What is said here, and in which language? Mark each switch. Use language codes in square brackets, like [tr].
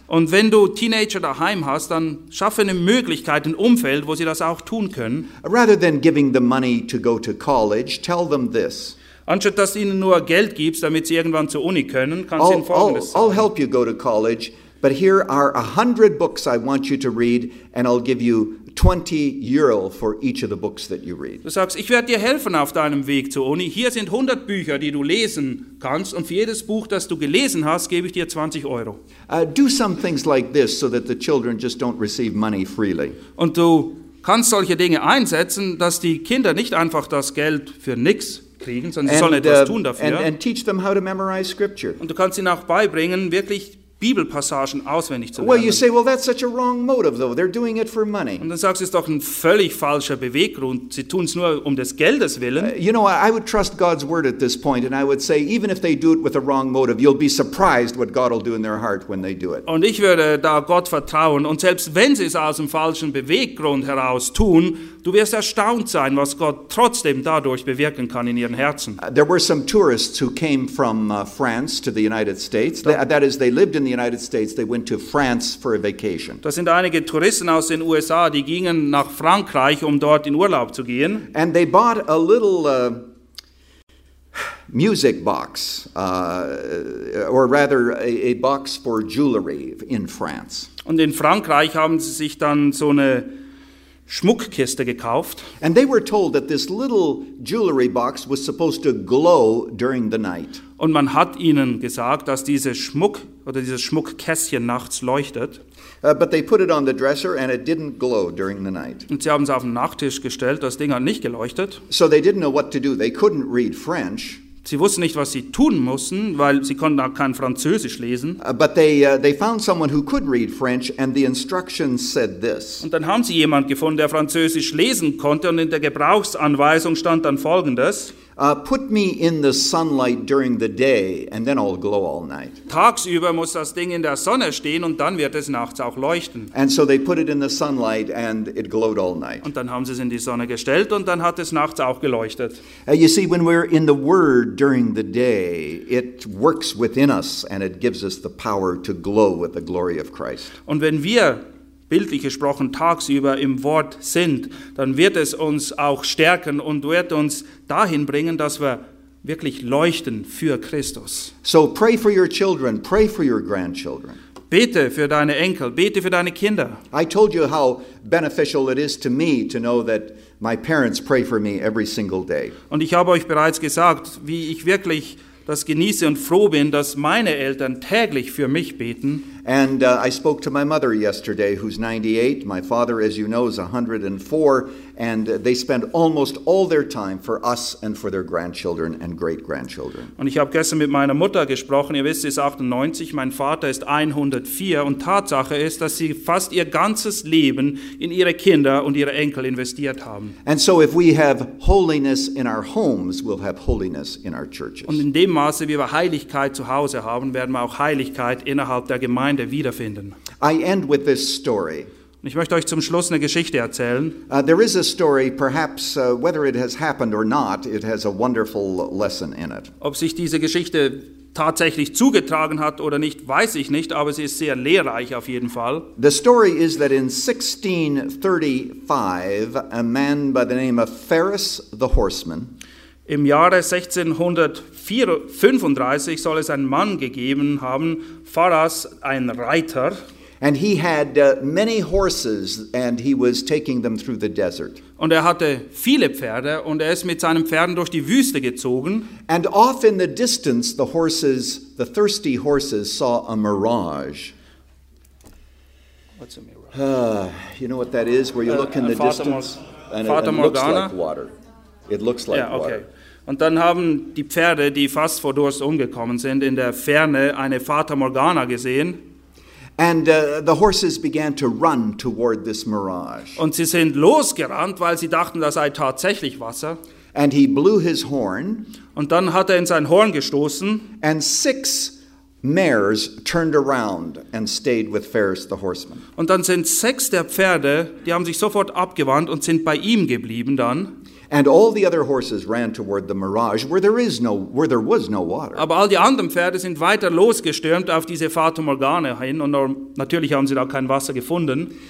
[de] Und wenn du Teenager daheim hast, dann schaffe eine Möglichkeit, ein Umfeld, wo sie das auch tun können. [en] Rather than giving them money to go to college, tell them this. [de] Anstatt dass du ihnen nur Geld gibst, damit sie irgendwann zur Uni können, kannst du ihnen Folgendes sagen. [en] I'll help you go to college, but here are 100 books I want you to read, and I'll give you 20 Euro for each of the books that you read. [de] Du sagst, ich werde dir helfen auf deinem Weg zur Uni. Hier sind 100 Bücher, die du lesen kannst, und für jedes Buch, das du gelesen hast, gebe ich dir 20 Euro. [en] Do some things like this so that the children just don't receive money freely. [de] Und du kannst solche Dinge einsetzen, dass die Kinder nicht einfach das Geld für nichts kriegen, sondern sie sollen etwas tun dafür. [en] And teach them how to memorize Scripture. [de] Und du kannst ihnen auch beibringen, wirklich Bibelpassagen auswendig zu lernen. [en] Well, you say, well, that's such a wrong motive, though. They're doing it for money. [de] Und dann sagst du, es ist doch ein völlig falscher Beweggrund. Sie tun es nur um des Geldes willen. [en] You know, I would trust God's word at this point, and I would say, even if they do it with a wrong motive, you'll be surprised what God will do in their heart when they do it. [de] Und ich würde da Gott vertrauen. Und selbst wenn sie es aus einem falschen Beweggrund heraus tun, du wirst erstaunt sein, was Gott trotzdem dadurch bewirken kann in ihren Herzen. [en] There were some tourists who came from France to the United States. That is, they lived in the United States. They went to France for a vacation. [de] Das sind einige Touristen aus den USA, die gingen nach Frankreich, um dort in Urlaub zu gehen. [en] And they bought a little music box, or rather a box for jewelry in France. [de] Und in Frankreich haben sie sich dann so eine Schmuckkiste gekauft. [en] And they were told that this little jewelry box was supposed to glow during the night. [de] Und man hat ihnen gesagt, dass diese Schmuck oder dieses Schmuckkästchen nachts leuchtet. [en] But they put it on the dresser and it didn't glow during the night. [de] Und sie haben es auf den Nachttisch gestellt, das Ding hat nicht geleuchtet. [en] So they didn't know what to do. They couldn't read French. [de] Sie wussten nicht, was sie tun mussten, weil sie konnten auch kein Französisch lesen. [en] But they found someone who could read French, and the instructions said this. [de] Und dann haben sie jemanden gefunden, der Französisch lesen konnte, und in der Gebrauchsanweisung stand dann Folgendes. [en] Put me in the sunlight during the day, and then I'll glow all night. [de] Tagsüber muss das Ding in der Sonne stehen, und dann wird es nachts auch leuchten. [en] And so they put it in the sunlight, and it glowed all night. [de] Und dann haben sie es in die Sonne gestellt, und dann hat es nachts auch geleuchtet. [en] You see, when we're in the Word during the day, it works within us, and it gives us the power to glow with the glory of Christ. [de] Und wenn wir bildlich gesprochen tagsüber im Wort sind, dann wird es uns auch stärken und wird uns dahin bringen, dass wir wirklich leuchten für Christus. [en] So pray for your children, pray for your grandchildren. [de] Bete für deine Enkel, bete für deine Kinder. [en] I told you how beneficial it is to me to know that my parents pray for me every single day. [de] Und ich habe euch bereits gesagt, wie ich wirklich das genieße und froh bin, dass meine Eltern täglich für mich beten. [en] And I spoke to my mother yesterday, who's 98. My father, as you know, is 104. And they spend almost all their time for us and for their grandchildren and great-grandchildren. [de] Und ich habe gestern mit meiner Mutter gesprochen. Ihr wisst, sie ist 98. Mein Vater ist 104. Und Tatsache ist, dass sie fast ihr ganzes Leben in ihre Kinder und ihre Enkel investiert haben. [en] And so if we have holiness in our homes, we'll have holiness in our churches. [de] Und in dem Maße, wie wir Heiligkeit zu Hause haben, werden wir auch Heiligkeit innerhalb der Gemeinde wiederfinden. [en] I end with this story. [de] Ich möchte euch zum Schluss eine Geschichte erzählen. [en] There is a story, perhaps whether it has happened or not, it has a wonderful lesson in it. [de] Ob sich diese Geschichte tatsächlich zugetragen hat oder nicht, weiß ich nicht, aber sie ist sehr lehrreich auf jeden Fall. [en] The story is that in 1635 a man by the name of Ferus the Horseman. [de] Im Jahre 1635 soll es einen Mann gegeben haben, Ferus, ein Reiter. [en] And he had many horses and he was taking them through the desert. [de] Und er hatte viele Pferde und er ist mit seinen Pferden durch die Wüste gezogen. [en] And off in the distance the horses, the thirsty horses saw a mirage. What's a mirage? You know what that is, where you look in the distance and it looks like water. It looks like water. Okay. [de] Und dann haben die Pferde, die fast vor Durst umgekommen sind, in der Ferne eine Fata Morgana gesehen. [en] And the horses began to run toward this mirage. [de] Und sie sind losgerannt, weil sie dachten, das sei tatsächlich Wasser. [en] And he blew his horn. [de] Und dann hat in sein Horn gestoßen. [en] And six mares turned around and stayed with Ferus the Horseman. [de] Und dann sind sechs der Pferde, die haben sich sofort abgewandt und sind bei ihm geblieben dann. [en] And all the other horses ran toward the mirage, where there was no water. [de] Aber all die anderen Pferde sind weiter losgestürmt auf diese Fata Morgana hin, und natürlich haben sie da kein Wasser gefunden.